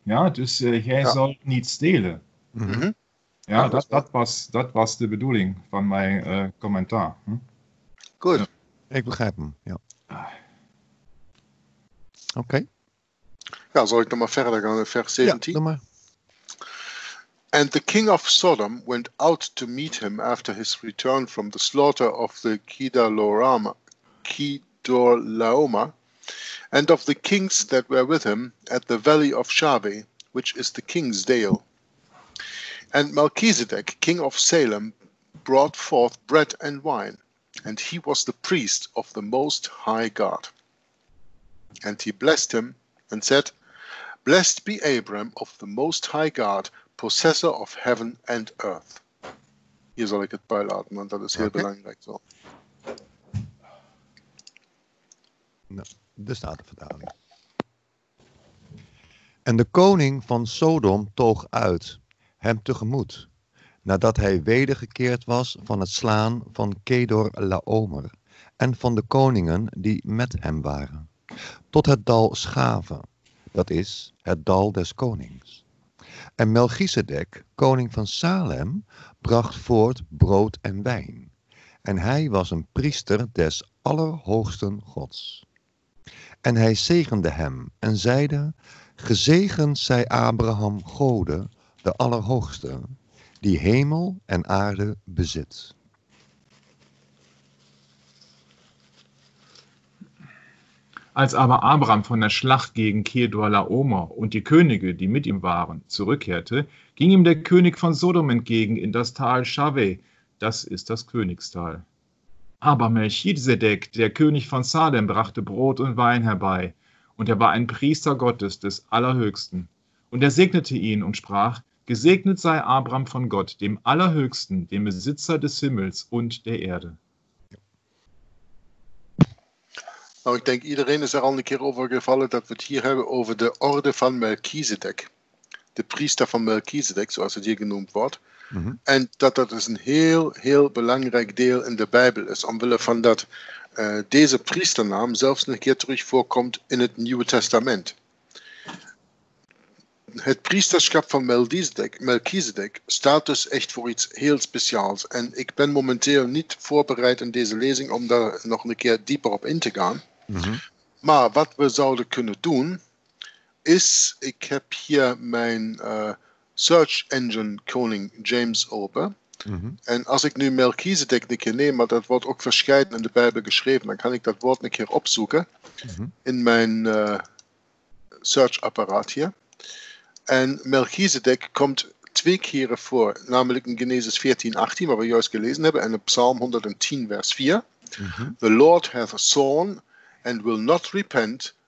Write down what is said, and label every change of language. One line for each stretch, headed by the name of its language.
Dutch: Ja? Dus jij ja. zal niet stelen. Mm-hmm. Ja, dat was de bedoeling van mijn commentaar. Hm? Goed. Ja. Ik begrijp hem, ja. Oké. Okay. Ja, zal ik nog maar verder gaan, vers 17? Ja, doe maar.
English: And the king of Sodom went out to meet him after his return from the slaughter of the Kedorlaomer, and of the kings that were with him at the valley of Shaveh, which is the king's dale. And Melchizedek, king of Salem, brought forth bread and wine, and he was the priest of the Most High God. And he blessed him and said, Blessed be Abram of the Most High God, possessor of heaven and earth.
Dutch: Hier zal ik het bij laten, want dat is heel okay. belangrijk. Zo. Nou, de Statenvertaling. En de koning van Sodom toog uit, hem tegemoet, nadat hij wedergekeerd was van het slaan van Kedorlaomer en van de koningen die met hem waren, tot het dal Schaven. Dat is het dal des konings. En Melchizedek, koning van Salem, bracht voort brood en wijn. En hij was een priester des Allerhoogsten Gods. En hij zegende hem en zeide, gezegend zij Abraham Gode, de Allerhoogste, die hemel en aarde bezit.
German: Als aber Abraham von der Schlacht gegen Kedorlaomer und die Könige, die mit ihm waren, zurückkehrte, ging ihm der König von Sodom entgegen in das Tal Shaveh, das ist das Königstal. Aber Melchisedek, der König von Salem, brachte Brot und Wein herbei, und er war ein Priester Gottes des Allerhöchsten. Und er segnete ihn und sprach, gesegnet sei Abraham von Gott, dem Allerhöchsten, dem Besitzer des Himmels und der Erde.
Dutch: Nou, ik denk iedereen is er al een keer over gevallen dat we het hier hebben over de orde van Melchizedek. De priester van Melchizedek, zoals het hier genoemd wordt. Mm-hmm. En dat dat dus een heel, heel belangrijk deel in de Bijbel is. Omwille van dat deze priesternaam zelfs een keer terug voorkomt in het Nieuwe Testament. Het priesterschap van Melchizedek staat dus echt voor iets heel speciaals. En ik ben momenteel niet voorbereid in deze lezing om daar nog een keer dieper op in te gaan. Mm-hmm. Maar wat we zouden kunnen doen, is, ik heb hier mijn search engine koning James open. Mm-hmm. En als ik nu Melchizedek een keer neem, maar dat wordt ook verscheiden in de Bijbel geschreven, dan kan ik dat woord een keer opzoeken mm-hmm. in mijn search apparaat hier. En Melchizedek komt twee keren voor, namelijk in Genesis 14, 18, wat we juist gelezen hebben, en in Psalm 110, vers 4. Mm-hmm.
English: The Lord hath sworn and will not repent.